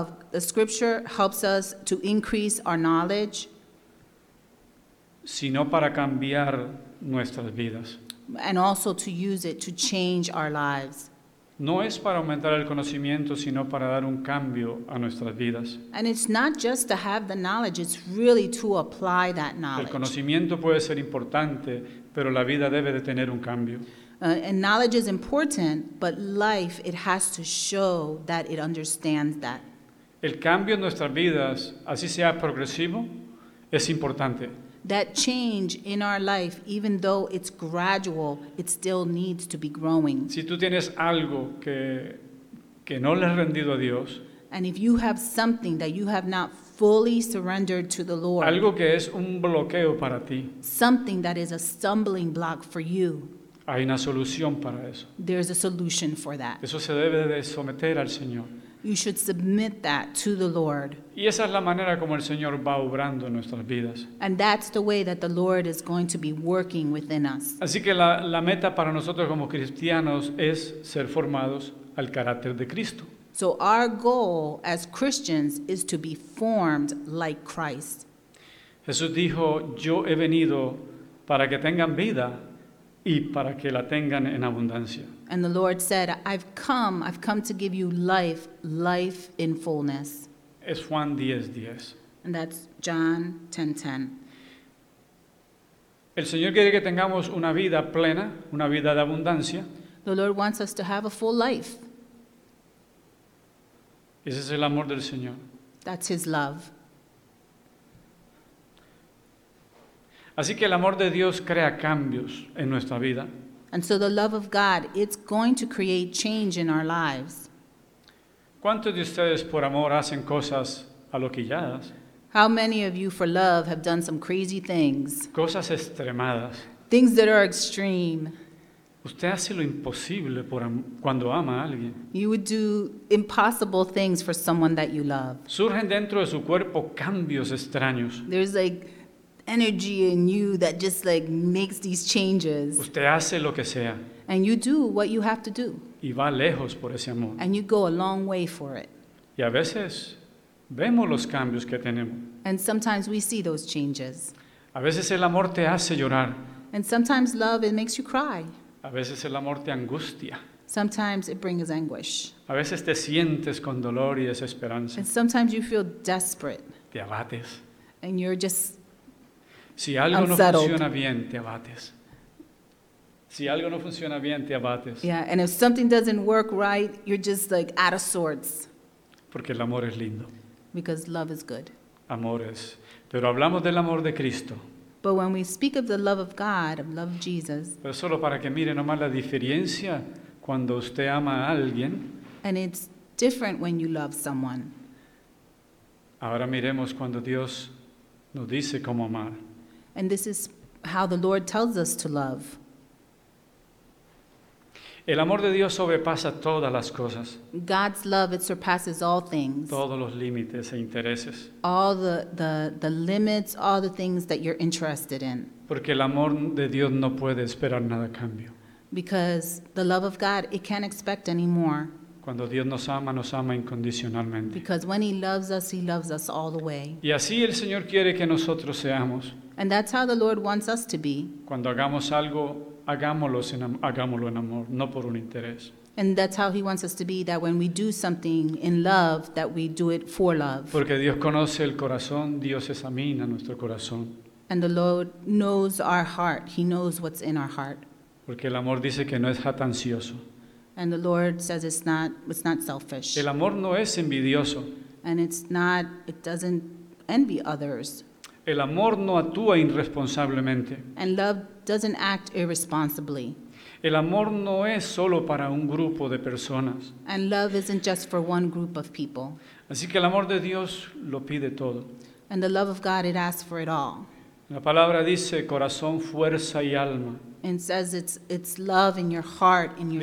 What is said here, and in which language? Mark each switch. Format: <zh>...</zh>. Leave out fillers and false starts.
<en>The scripture helps us to increase our knowledge,</en> <es>sino para cambiar nuestras vidas.</es> <en>And also to use it to change our lives.</en> <es>No es para aumentar el conocimiento, sino para dar un cambio a nuestras vidas.</es> <en>And it's not just to have the knowledge, it's really to apply that knowledge.</en> <es>El conocimiento puede ser importante, pero la vida debe de tener un cambio.</es> <en>And knowledge is important, but life, it has to show that it understands that.</en> <es>El cambio en nuestras vidas, así sea progresivo, es importante.</es> <en>That change in our life, even though it's gradual, it still needs to be growing.</en> <es>Si tú tienes algo que no le has rendido a Dios,</es> <en>and if you have something that you have not fully surrendered to the Lord,</en> <es>algo que es un bloqueo para ti,</es> <en>something that is a stumbling block for you,</en> <es>hay una solución para eso.</es> <en>There's a solution for that.</en> <es>Eso se debe de someter al Señor.</es> <en>You should submit that to the Lord.</en> <es>Y esa es la manera como el Señor va obrando en nuestras vidas.</es> <en>And that's the way that the Lord is going to be working within us.</en> <es>Así que la meta para nosotros como cristianos es ser formados al carácter de Cristo.</es> <en>So our goal as Christians is to be formed like Christ.</en> <es>Jesús dijo, yo he venido para que tengan vida y para que la tengan en abundancia.</es> <en>And the Lord said, I've come to give you life in fullness.</en> <es>Es Juan 10:10.</es> <en>And that's John 10:10.</en> <es>El Señor quiere que tengamos una vida plena, una vida de abundancia.</es> <en>The Lord wants us to have a full life.</en> <es>Ese es el amor del Señor.</es> <en>That's His love.</en> <es>Así que el amor de Dios crea cambios en nuestra vida.</es> <en>And so the love of God, it's going to create change in our lives.</en> <es>¿Cuántos de ustedes por amor hacen cosas aloquilladas?</es> <en>How many of you for love have done some crazy things?</en> <es>Cosas extremadas.</es> <en>Things that are extreme.</en> <es>Usted hace lo imposible por cuando ama a alguien.</es> <en>You would do impossible things for someone that you love.</en> <es>Surgen dentro de su cuerpo cambios extraños.</es> <en>There's like energy in you that just like makes these changes.</en> <es>Usted hace lo que sea.</es> <en>And you do what you have to do.</en> <es>Y va lejos por ese amor.</es> <en>And you go a long way for it.</en> <es>Y a veces vemos los cambios que tenemos.</es> <en>And sometimes we see those changes.</en> <es>A veces el amor te hace llorar.</es> <en>And sometimes love, it makes you cry.</en> <es>A veces el amor te angustia.</es> <en>Sometimes it brings anguish.</en> <es>A veces te sientes con dolor y desesperanza.</es> <en>And sometimes you feel desperate.</en> <es>Te abates.</es> <en>And you're just</en> <es>si algo</es> <en>unsettled.</en> <es>No funciona bien, te abates. Si algo no funciona bien, te abates.</es> <en>Yeah, and if something doesn't work right, you're just like out of sorts.</en> <es>Porque el amor es lindo.</es> <en>Because love is good.</en> <es>Amor es. Pero hablamos del amor de Cristo.</es> <en>But when we speak of the love of God, of love of Jesus.</en> <es>Pero solo para que mire nomás la diferencia cuando usted ama a alguien.</es> <en>And it's different when you love someone.</en> <es>Ahora miremos cuando Dios nos dice cómo amar.</es> <en>And this is how the Lord tells us to love.</en> <es>El amor de Dios sobrepasa todas las cosas.</es> <en>God's love, it surpasses all things.</en> <es>Todos los límites e intereses.</es> <en>All the limits, all the things that you're interested in.</en> <es>Porque el amor de Dios no puede esperar nada a cambio.</es> <en>Because the love of God, it can't expect any more.</en> <es>Cuando Dios nos ama incondicionalmente.</es> <en>Because when he loves us all the way.</en> <es>Y así el Señor quiere que nosotros seamos.</es> <en>And that's how the Lord wants us to be.</en> <es>Cuando hagamos algo, hagámoslo en amor, no por un interés.</es> <en>And that's how he wants us to be, that when we do something in love, that we do it for love.</en> <es>Porque Dios conoce el corazón, Dios examina nuestro corazón.</es> <en>And the Lord knows our heart, he knows what's in our heart.</en> <es>Porque el amor dice que no es jactancioso.</es> <en>And the Lord says it's not selfish.</en> <es>El amor no es envidioso.</es> <en>And it doesn't envy others.</en> <es>El amor no actúa irresponsablemente.</es> <en>And love doesn't act irresponsibly.</en> <es>El amor no es solo para un grupo de personas.</es> <en>And love isn't just for one group of people.</en> <es>Así que el amor de Dios lo pide todo.</es> <en>And the love of God, it asks for it all.</en> <es>La palabra dice corazón, fuerza y alma.</es> <en>And it says it's love in your heart, in your</en>